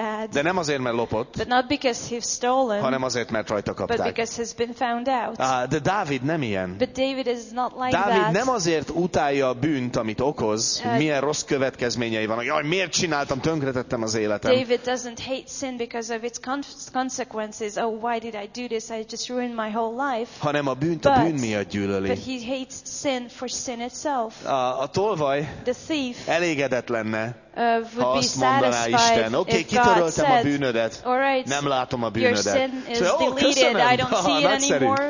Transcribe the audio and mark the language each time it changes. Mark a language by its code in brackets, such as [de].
[hu] De nem azért, mert lopott, [en] stolen, [hu] hanem azért, mert rajta kapták. De Dávid nem ilyen. Dávid nem azért utálja a bűnt, amit okoz, milyen rossz következményei vannak. Jaj, miért csináltam, tönkretettem az életem. [en] David doesn't hate sin because of its consequences. Oh, why did I do this? I just ruined my whole life. [hu] Hanem a bűnt a bűn miatt gyűlöli. [en] But he hates sin for sin itself. [hu] A tolvaj elégedett lenne, ha azt mondaná Isten, oké, kitöröltem a bűnödet, nem látom a bűnödet. Köszönöm, nagyszerű.